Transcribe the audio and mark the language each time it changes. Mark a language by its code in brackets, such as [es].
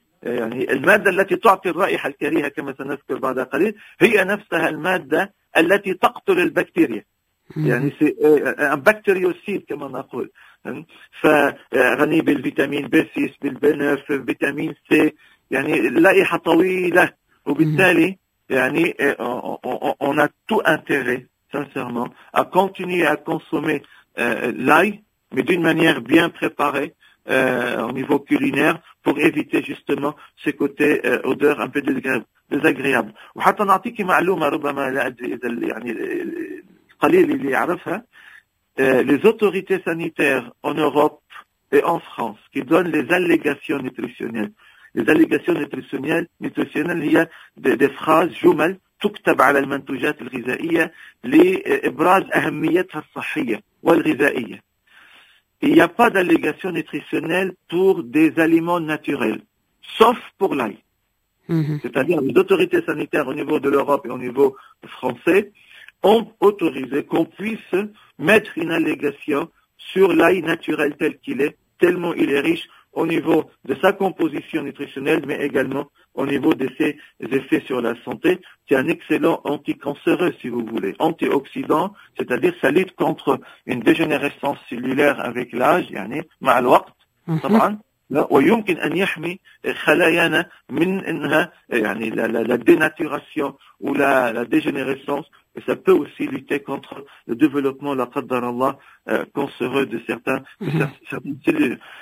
[ar] يعني المادة التي تعطي الرائحة الكريهة كما سنذكر بعد قليل هي نفسها المادة التي تقتل البكتيريا، يعني بكتيريوسيد كما نقول. فغني بالفيتامين B6، بالبنف، فيتامين C، يعني لائحة طويلة. [fr] وبالتالي يعني on a tout intérêt sincèrement à continuer à consommer l'ail mais d'une manière bien préparée au niveau culinaire pour éviter justement ce côté odeur un peu désagréable. [ar] وحتى نعطيك معلومة ربما لا أدري إذا يعني قليل اللي يعرفها. [fr] Les autorités sanitaires en Europe et en France qui donnent les allégations nutritionnelles. Les allégations nutritionnelles [ar] هي [fr] des phrases [ar] جمل تكتب على المنتوجات الغذائية لإبراز أهميتها الصحية والغذائية. [fr] Il n'y a pas d'allégation nutritionnelle pour des aliments naturels, sauf pour l'ail. C'est-à-dire les autorités sanitaires au niveau de l'Europe et au niveau français ont autorisé qu'on puisse mettre une allégation sur l'ail naturel tel qu'il est, tellement il est riche au niveau de sa composition nutritionnelle, mais également au niveau de ses effets sur la santé. C'est un excellent anticancéreux, si vous voulez, antioxydant, c'est-à-dire ça lutte contre une dégénérescence cellulaire avec l'âge, yani, [ar] مع الوقت, طبعاً. ويمكن أن يحمي خلايانا من إنها يعني [fr] la dénaturation ou la dégénérescence. Et ça peut aussi lutter contre le développement, la qadar Allah, cancéreux de certains, certaines cellules.